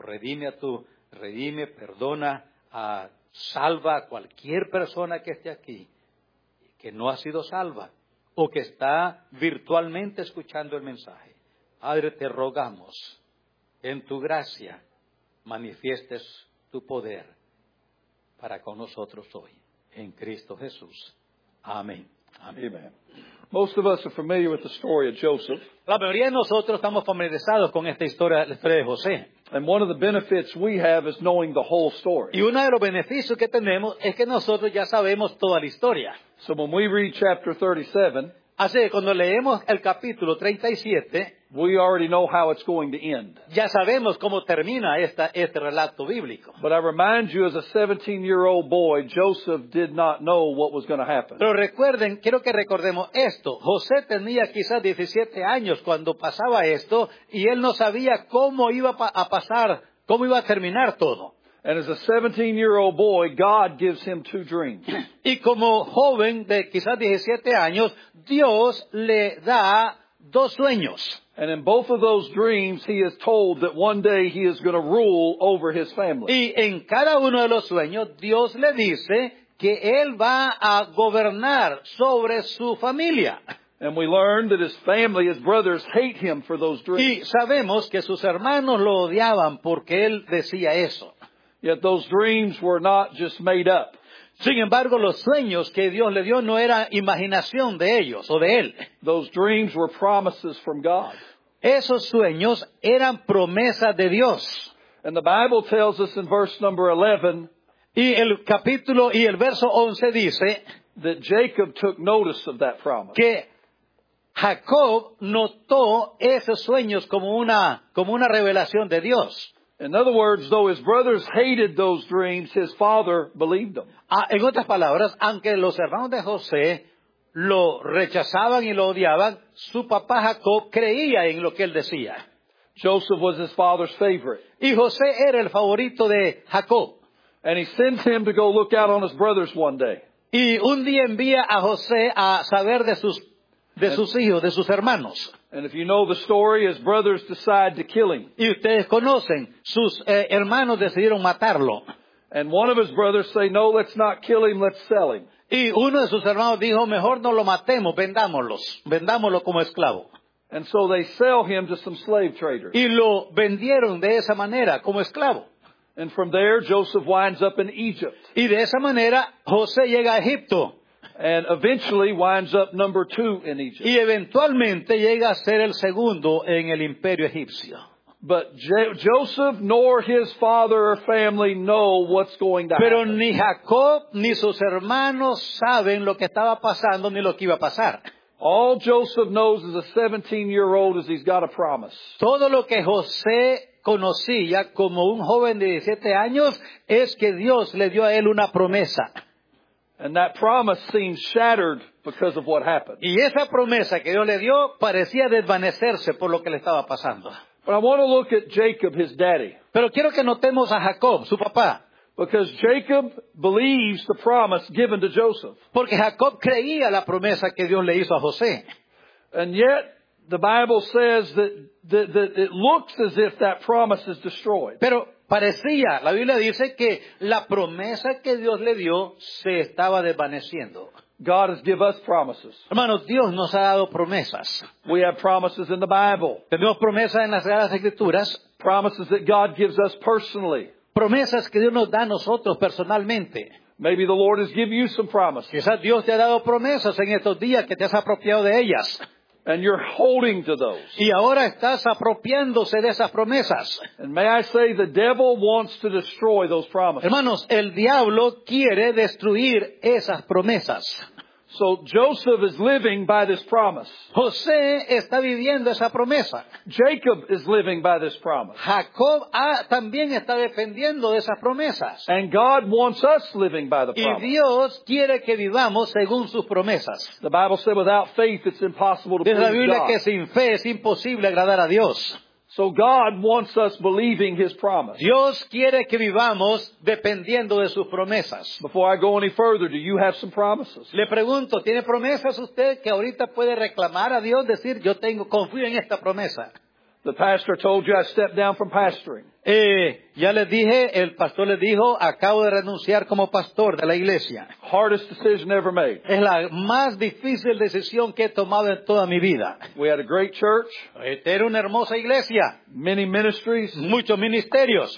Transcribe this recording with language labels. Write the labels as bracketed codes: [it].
[es] Redime, perdona, salva a cualquier persona que esté aquí, que no ha sido salva, o que está virtualmente escuchando el mensaje. Padre, te rogamos, en tu gracia, manifiestes tu poder para con nosotros hoy, en Cristo Jesús. Amén. Amén. [en] Most of us are familiar with the story of Joseph. [es] La mayoría de nosotros estamos familiarizados con esta historia, la historia de José. [en] And one of the benefits we have is knowing the whole story. [es] Y uno de los beneficios que tenemos es que nosotros ya sabemos toda la historia. [en] So when we read chapter 37, [es] así que cuando leemos el capítulo 37, [en] we already know how it's going to end. [es] Ya sabemos cómo termina este relato bíblico. [en] But I remind you, as a 17-year-old boy, Joseph did not know what was going to happen. [es] Pero recuerden, quiero que recordemos esto. José tenía quizás 17 años cuando pasaba esto, y él no sabía cómo iba a pasar, cómo iba a terminar todo. [en] And as a 17-year-old boy, God gives him two dreams. [es] Y como joven de quizás 17 años, Dios le da dos sueños. [en] And in both of those dreams, he is told that one day he is going to rule over his family. [es] Y en cada uno de los sueños, Dios le dice que él va a gobernar sobre su familia. [en] And we learn that his family, his brothers, hate him for those dreams. [es] Y sabemos que sus hermanos lo odiaban porque él decía eso. [en] Yet those dreams were not just made up. [es] Sin embargo, los sueños que Dios le dio no era imaginación de ellos o de él. [en] Those dreams were promises from God. [es] Esos sueños eran promesas de Dios. [en] And the Bible tells us in verse number 11. [es] Y el capítulo y el verso 11 dice [en] that Jacob took notice of that promise. [es] Que Jacob notó esos sueños como una revelación de Dios. [en] In other words, though his brothers hated those dreams, his father believed them. [es] En otras palabras, aunque los hermanos de José lo rechazaban y lo odiaban, su papá Jacob creía en lo que él decía. [en] Joseph was his father's favorite. [es] Y José era el favorito de Jacob. [en] And he sends him to go look out on his brothers one day. [es] Y un día envía a José a saber de sus hijos, de sus hermanos. [en] And if you know the story, his brothers decide to kill him. [es] Y ustedes conocen, sus hermanos decidieron matarlo. [en] And one of his brothers say, no, let's not kill him, let's sell him. [es] Y uno de sus hermanos dijo, mejor no lo matemos, vendámoslo como esclavo. [en] And so they sell him to some slave traders. [es] Y lo vendieron de esa manera, como esclavo. [en] And from there, Joseph winds up in Egypt. [es] Y de esa manera, José llega a Egipto. [en] And eventually winds up number two in Egypt. [es] Y eventualmente llega a ser el segundo en el imperio egipcio. [en] But Joseph nor his father or family know what's going to happen. [es] Pero ni Jacob ni sus hermanos saben lo que estaba pasando ni lo que iba a pasar. [en] All Joseph knows as a 17-year-old is he's got a promise. [es] Todo lo que José conocía como un joven de 17 años es que Dios le dio a él una promesa. [en] And that promise seemed shattered because of what happened. [es] Y esa promesa que Dios le dio parecía desvanecerse por lo que le estaba pasando. [en] But I want to look at Jacob, his daddy. [es] Pero quiero que notemos a Jacob, su papá. [en] Because Jacob believes the promise given to Joseph. [es] Porque Jacob creía la promesa que Dios le hizo a José. [en] And yet, the Bible says that it looks as if that promise is destroyed. [es] Pero parecía, la Biblia dice que la promesa que Dios le dio se estaba desvaneciendo. [en] God has given us promises. [es] Hermanos, Dios nos ha dado promesas. [en] We have promises in the Bible. [es] Tenemos promesas en las Sagradas Escrituras. [en] Promises that God gives us personally. [es] Promesas que Dios nos da a nosotros personalmente. [en] Maybe the Lord has given you some promises. [es] Quizás Dios te ha dado promesas en estos días que te has apropiado de ellas. [en] And you're holding to those. [es] Y ahora estás apropiándose de esas promesas. [en] And may I say, the devil wants to destroy those promises. [es] Hermanos, el diablo quiere destruir esas promesas. [en] So Joseph is living by this promise. [es] José está viviendo esa promesa. [en] Jacob is living by this promise. [es] Jacob también está defendiendo de esas promesas. [en] And God wants us living by the promise. [es] Y Dios quiere que vivamos según sus promesas. [en] The Bible says without faith it's impossible to please God. [es] Dice la Biblia que sin fe es imposible agradar a Dios. [en] So God wants us believing His promise. [es] Dios quiere que vivamos dependiendo de sus promesas. [en] Before I go any further, do you have some promises? [es] Le pregunto, ¿tiene promesas usted que ahorita puede reclamar a Dios, decir, yo tengo, confío en esta promesa? [en] The pastor told you I stepped down from pastoring. [es] Ya les dije, el pastor les dijo, acabo de renunciar como pastor de la iglesia. [en] Hardest decision ever made. [es] Es la más difícil decisión que he tomado en toda mi vida. [en] We had a great church. [es] Era una hermosa iglesia. [en] Many ministries. [es] Muchos ministerios.